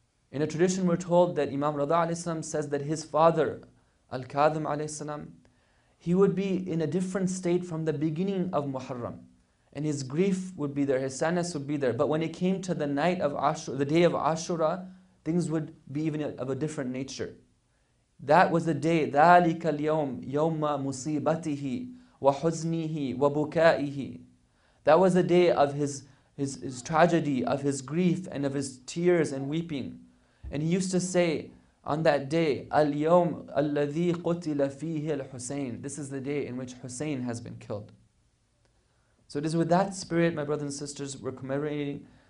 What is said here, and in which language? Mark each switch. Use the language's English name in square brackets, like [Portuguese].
[English] In a tradition, we're told that Imam Radha alayhi salam says that his father, Al-Kadhim alayhi salam, he would be in a different state from the beginning of Muharram. And his grief would be there, his sadness would be there. But when it came to the night of Ashura, the day of Ashura, things would be even of a different nature. That was the day, [Arabic] ذَلِكَ الْيَوْمِ يَوْمَ مُصِيبَتِهِ وَحُزْنِهِ وَبُكَائِهِ. [English] That was the day of his tragedy, of his grief, and of his tears and weeping. And he used to say on that day, [Arabic] الْيَوْمِ الَّذِي قُتِلَ فِيهِ الْحُسَيْنِ. [English] This is the day in which Hussein has been killed. So it is with that spirit, my brothers and sisters, we're commemorating.